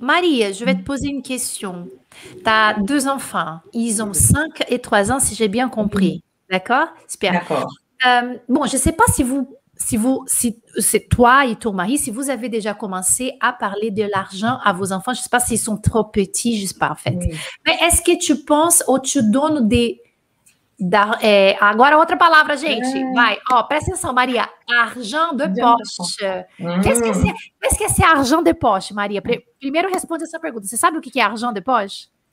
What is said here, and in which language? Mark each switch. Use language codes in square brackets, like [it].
[fr] Maria, je vais te poser une question. Tu as deux enfants, ils ont 5 et 3 ans, si j'ai bien compris. D'accord? Super. D'accord. Bon, je ne sais pas si c'est toi et ton mari, si vous avez déjà commencé à parler de l'argent à vos enfants, je ne sais pas s'ils sont trop petits, je ne sais pas en fait. Oui. Mais est-ce que tu penses ou tu donnes des... [pt] agora outra palavra, gente. É. Vai, ó, presta atenção, Maria. [fr] Argent de poche. Qu'est-ce que c'est argent de poche, Maria? [pt] Primeiro responde essa pergunta. Você sabe o que é argent de poche?